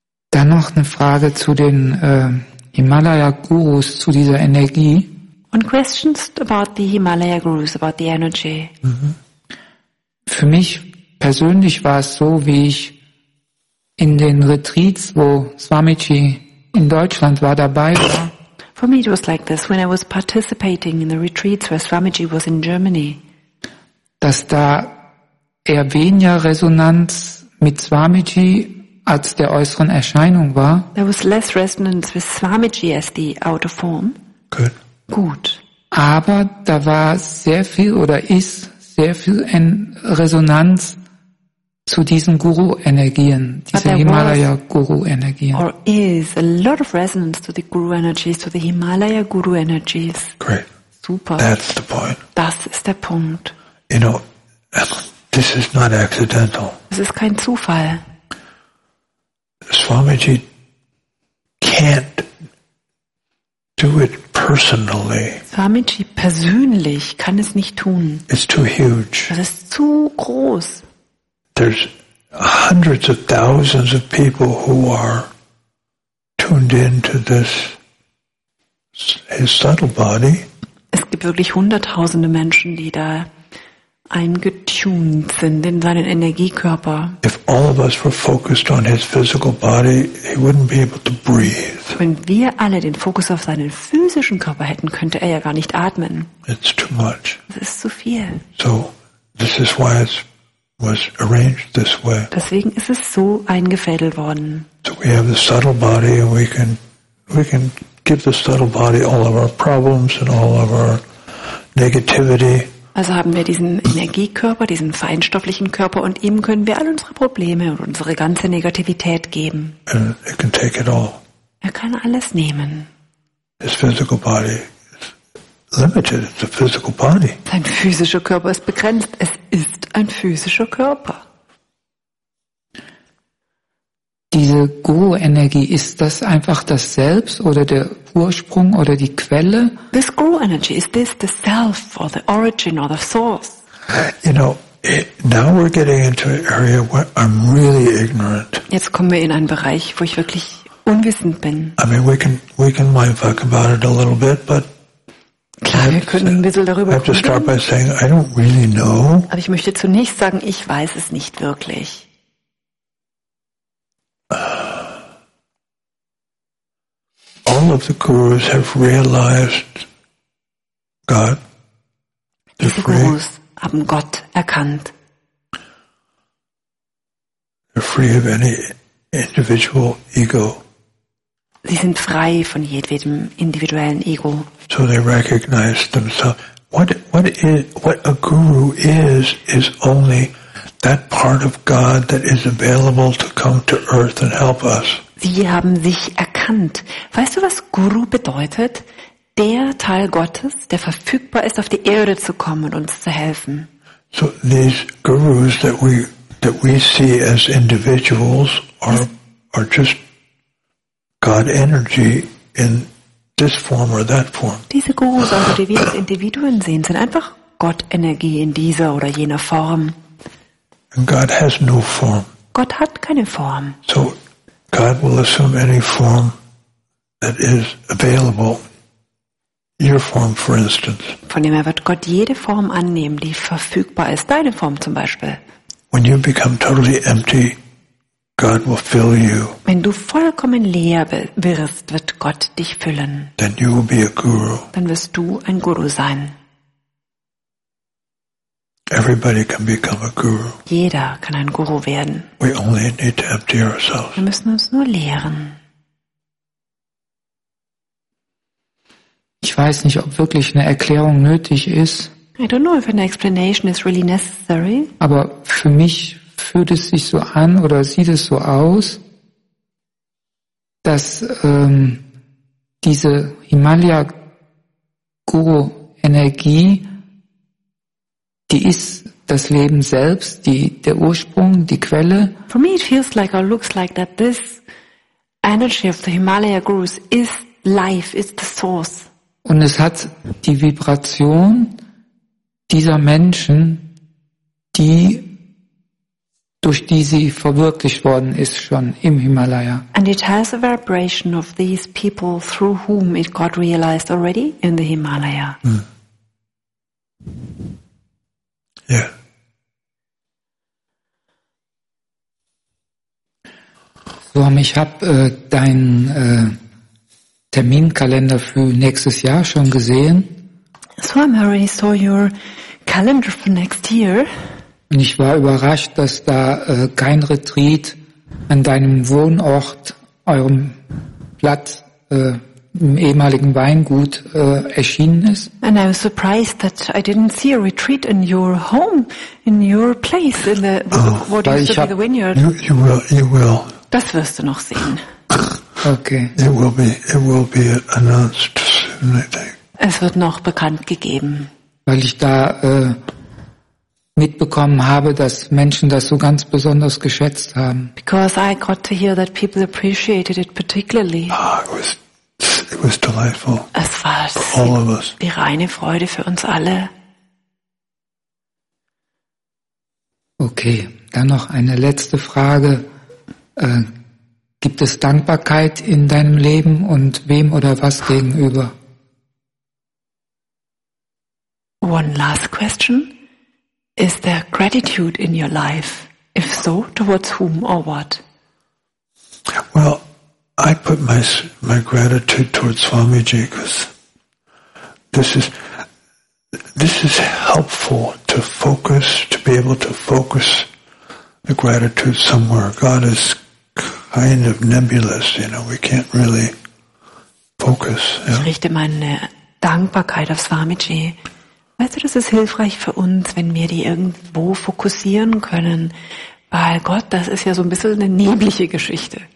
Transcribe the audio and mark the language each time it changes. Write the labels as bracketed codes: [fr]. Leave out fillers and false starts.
[de] Dann noch eine Frage zu den Himalaya-Gurus, zu dieser Energie. [en] One question about the Himalaya-Gurus, about the energy. Mhm. [de] Für mich persönlich war es so, wie ich in den Retreats, wo Swamiji in Deutschland war, dabei war. [en] For me it was like this, when I was participating in the retreats where Swamiji was in Germany. [de] Dass da eher weniger Resonanz mit Swamiji als der äußeren Erscheinung war. [en] There was less resonance with Swamiji as the outer form. Good. [de] Gut. Aber da war sehr viel oder ist sehr viel in Resonanz zu diesen Guru-Energien, diese Himalaya-Guru-Energien. [en] Or is a lot of resonance to the Guru-Energies, to the Himalaya-Guru-Energies. Great. [de] Super. [en] That's the point. [de] Das ist der Punkt. [en] You know, this is not accidental. [de] Es ist kein Zufall. [en] Swamiji can't do it personally. [de] Swamiji persönlich kann es nicht tun. [en] It's too huge. [de] Das ist zu groß. [en] There's hundreds of thousands of people who are tuned into this his subtle body. [de] Es gibt wirklich hunderttausende Menschen, die da eingetuned sind in seinen Energiekörper. [en] If all of us were focused on his physical body, he wouldn't be able to breathe. [de] Wenn wir alle den Fokus auf seinen physischen Körper hätten, könnte er ja gar nicht atmen. [en] It's too much. [de] Das ist zu viel. [en] So, this is why it's was arranged this way. [de] Deswegen ist es so eingefädelt worden. [en] So we have the subtle body and we can give the subtle body all of our problems and all of our negativity. [de] Also haben wir diesen Energiekörper, diesen feinstofflichen Körper und ihm können wir all unsere Probleme und unsere ganze Negativität geben. [en] And it can take it all. [de] Er kann alles nehmen. [en] His physical body is limited. It's a physical body. [de] Sein physischer Körper ist begrenzt. Es ist ein physischer Körper. Diese Guru-Energie, ist das einfach das Selbst oder der Ursprung oder die Quelle? [en] This Guru-Energy, is this the Self or the origin or the source? You know, now we're getting into an area where I'm really ignorant. [de] Jetzt kommen wir in einen Bereich, wo ich wirklich unwissend bin. [en] I mean, we can mindfuck about it a little bit, but [de] klar, wir können ein bisschen darüber reden. [en] I have to start by saying, I don't really know. [de] Aber ich möchte zunächst sagen, ich weiß es nicht wirklich. [en] All of the gurus have realized God. [de] Diese Gurus haben Gott erkannt. [en] They're free of any individual ego. [de] Sie sind frei von jedwedem individuellen Ego. [en] So they recognize themselves. What a guru is only that part of God that is available to come to earth and help us. [de] Sie haben sich erkannt. Weißt du, was Guru bedeutet? Der Teil Gottes, der verfügbar ist, auf die Erde zu kommen und uns zu helfen. [en] So these gurus that we see as individuals are just God energy in this form or that form. [de] Diese Gurus, also die wir als Individuen sehen, sind einfach Gott-Energie in dieser oder jener Form. [en] And God has no form. [de] Gott hat keine Form. [en] So God will assume any form that is available. Your form, for instance. [de] Von dem her wird Gott jede Form annehmen, die verfügbar ist. Deine Form zum Beispiel. [en] When you become totally empty, God will fill you. [de] Wenn du vollkommen leer wirst, wird Gott dich füllen. [en] Then you will be a guru. [de] Dann wirst du ein Guru sein. [en] Everybody can become a guru. [de] Jeder kann ein Guru werden. [en] We only need to empty ourselves. [de] Wir müssen uns nur leeren. Ich weiß nicht, ob wirklich eine Erklärung nötig ist. [en] I don't know if an explanation is really necessary. [de] Aber für mich fühlt es sich so an oder sieht es so aus, dass diese Himalaya-Guru-Energie, die ist das Leben selbst, die der Ursprung, die Quelle. [en] For me it feels like or looks like that this energy of the Himalaya Gurus is life, is the source. [de] Und es hat die Vibration dieser Menschen, die durch die sie verwirklicht worden ist schon im Himalaya. [en] And it has a vibration of these people through whom it got realized already in the Himalaya. Hmm. Yeah. [de] So, ich habe deinen Terminkalender für nächstes Jahr schon gesehen. [en] So, I already saw your calendar for next year. [de] Und ich war überrascht, dass da kein Retreat an deinem Wohnort, eurem Platz, im ehemaligen Weingut erschienen ist. [en] And I was surprised that I didn't see a retreat in your home, in your place, in the what used to be the vineyard. You will. [de] Das wirst du noch sehen. Okay. [en] It will be announced soon, I think. [de] Es wird noch bekannt gegeben. Weil ich da mitbekommen habe, dass Menschen das so ganz besonders geschätzt haben. [en] Because I got to hear that people appreciated it particularly. It was delightful. [de] Es war die reine Freude für uns alle. Okay, dann noch eine letzte Frage. Gibt es Dankbarkeit in deinem Leben und wem oder was gegenüber? [en] One last question. Is there gratitude in your life? If so, towards whom or what? Well, I put my gratitude towards Swamiji because this is helpful to focus, to be able to focus the gratitude somewhere. God is kind of nebulous, you know, we can't really focus. [de] Yeah? Ich richte meine Dankbarkeit auf Swamiji. Weißt du, das ist hilfreich für uns, wenn wir die irgendwo fokussieren können, weil Gott, das ist ja so ein bisschen eine neblige Geschichte.